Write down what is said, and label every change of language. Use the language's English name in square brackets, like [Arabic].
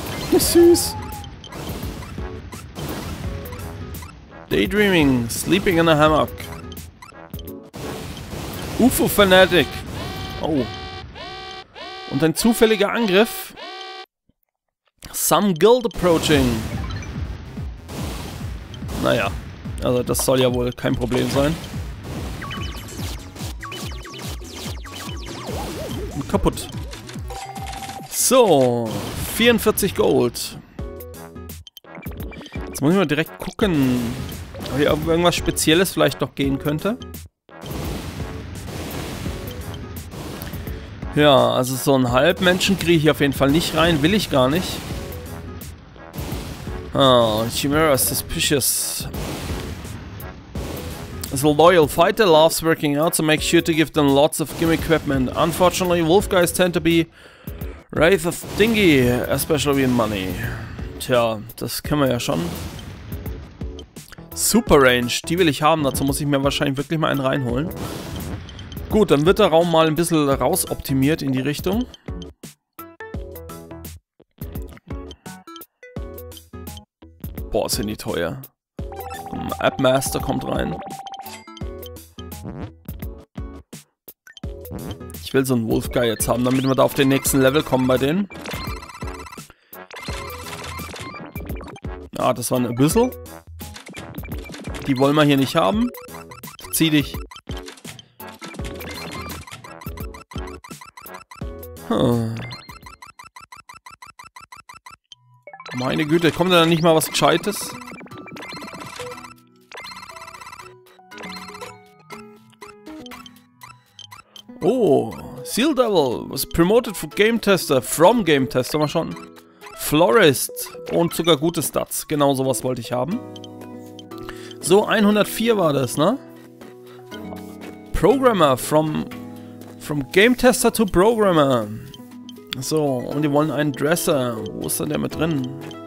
[German] Wie süß. [English] Daydreaming, sleeping in a hammock. UFO-Fanatic. Oh. [German] Und ein zufälliger Angriff. [English] Some guild approaching. [German] Naja. Also das soll ja wohl kein Problem sein. kaputt. So, 44 Gold. Jetzt muss ich mal direkt gucken, ob hier irgendwas Spezielles vielleicht noch gehen könnte. Ja, also so einen Halbmenschen kriege ich auf jeden Fall nicht rein, will ich gar nicht. [English] Oh, Chimera is suspicious. As a loyal fighter loves working out, so make sure to give them lots of gimmick equipment. Unfortunately, wolf guys tend to be wraith of dingy, especially with money. [German] Tja, das können wir ja schon. Super Range, die will ich haben, dazu muss ich mir wahrscheinlich wirklich mal einen reinholen. Gut, dann wird der Raum mal ein bisschen rausoptimiert in die Richtung. Boah, sind die teuer. Appmaster kommt rein. Ich will so einen Wolfguy jetzt haben, damit wir da auf den nächsten Level kommen bei denen. Ah, das war ein Abyssal. Die wollen wir hier nicht haben. Zieh dich. Meine Güte, kommt da nicht mal was Gescheites? [English] Oh, Seal Devil was promoted for Game Tester, from Game Tester, [German] mal schon. Florist und sogar gute Stats, genau sowas wollte ich haben. So, 104 war das, ne? [English] Programmer, from Game Tester to Programmer. [German] So, und die wollen einen Dresser. Wo ist denn der mit drin?